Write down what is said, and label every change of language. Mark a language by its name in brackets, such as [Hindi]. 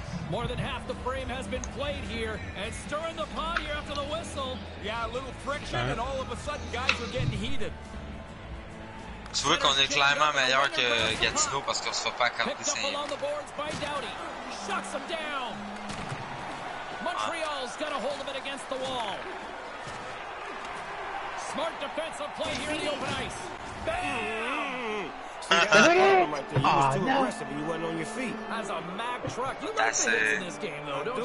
[English] More than half the frame has been played here, and stirring the pot here after the whistle. Yeah, a little friction, and all of a sudden, guys are getting heated. [French] Tu vois qu'on est clairement meilleur que Gatineau parce qu'on se fait pas accorder ça. [English] Along the boards by Doughty. Shucks him down. Montreal's got a hold of it against the wall. Smart defensive play here in the open ice. As a Mack truck, you got the hits in this game though, don't you?